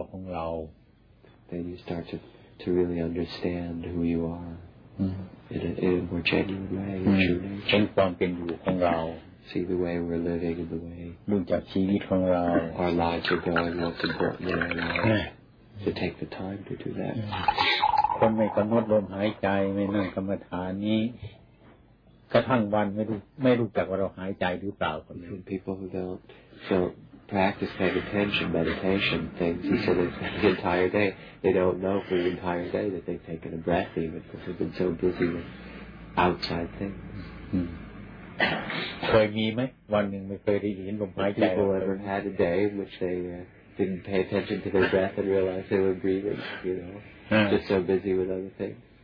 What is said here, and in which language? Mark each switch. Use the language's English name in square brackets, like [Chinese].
[English] Then you start to really understand who you are in a more genuine way, See the way we're living and the way our lives are going, what's important in our lives. To take the time to do that. [Thai] คนไม่กำหนดลมหายใจไม่นั่งกรรมฐานนี้กระทั่งวันไม่รู้จักว่าเราหายใจหรือเปล่าคนนี้ [English] people who don't practice paying attention meditation things he said the entire day they don't know for the entire day that they've taken a breath even because they've been so busy with outside things [Thai] เคยมีไหมวันหนึ่งไม่เคยได้ยินลมหายใจ [English] people ever had a day in which they didn't pay attention to their breath and realize they were breathing you know just so busy with other things